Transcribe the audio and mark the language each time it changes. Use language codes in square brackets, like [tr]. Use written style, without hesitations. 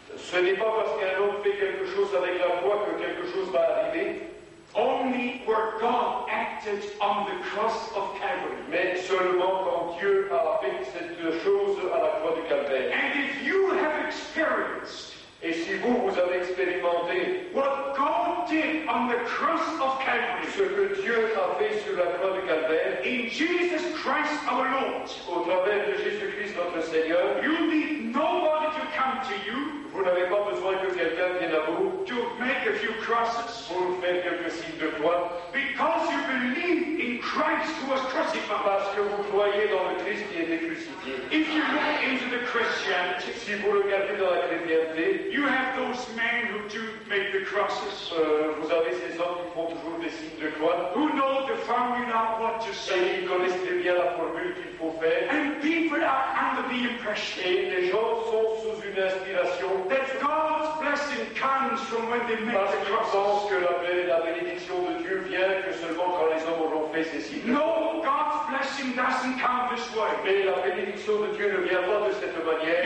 [fr] Ce n'est pas parce qu'un homme fait quelque chose avec la foi que quelque chose va arriver. [en] Only where God acted on the cross of Calvary. [fr] Mais seulement quand Dieu a fait cette chose à la croix du Calvaire. [en] And if you have experienced, [fr] et si vous, vous avez expérimenté [en] what God did on the cross of Calvary, [fr] ce que Dieu a fait sur la croix du Calvaire, [en] in Jesus Christ our Lord, [fr] au travers de Jésus-Christ notre Seigneur, [en] you need nobody to come to you. [fr] Vous n'avez pas besoin que quelqu'un vienne à vous. [en] To make a few crosses. [fr] Pour faire quelques signes de croix. [en] Because you believe in Christ who was crucified. [fr] Parce que vous croyez dans le Christ qui a été crucifié. [en] If you look into the Christianity, [fr] si vous regardez dans la chrétienté, [en] you have those men who do make the crosses. [fr] Vous avez ces hommes qui font toujours des signes de croix. [en] Who know the formula what to say. [fr] Et ils connaissent très bien la formule qu'il faut faire. [en] And people are under the impression. [fr] Et les gens sont sous une inspiration. [en] That God's blessing comes from when they make the cross. [fr] Parce que la bénédiction de Dieu vient que seulement quand les hommes auront fait ces signes. [en] No, God's blessing doesn't come this way. [fr] Mais la bénédiction de Dieu ne vient pas de cette manière.